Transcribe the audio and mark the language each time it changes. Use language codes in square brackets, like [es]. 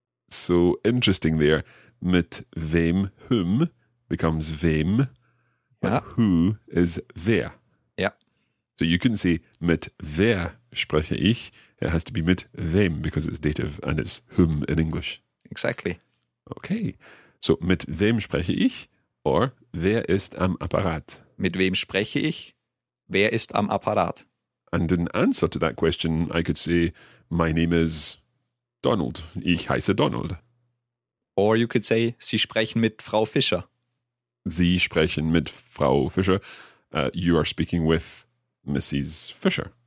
[en] So interesting there. [de] Mit wem, [en] whom becomes wem, yeah. But who is wer. Yeah. So you couldn't say [de] mit wer spreche ich. [en] It has to be [de] mit wem [en] because it's dative and it's whom in English. Exactly. Okay. [de] So mit wem spreche ich or wer ist am Apparat? Mit wem spreche ich? Wer ist am Apparat? [en] And in answer to that question, I could say, my name is Donald. [de] Ich heiße Donald. [en] Or you could say, [de] Sie sprechen mit Frau Fischer. Sie sprechen mit Frau Fischer. [en] You are speaking with Mrs. Fischer.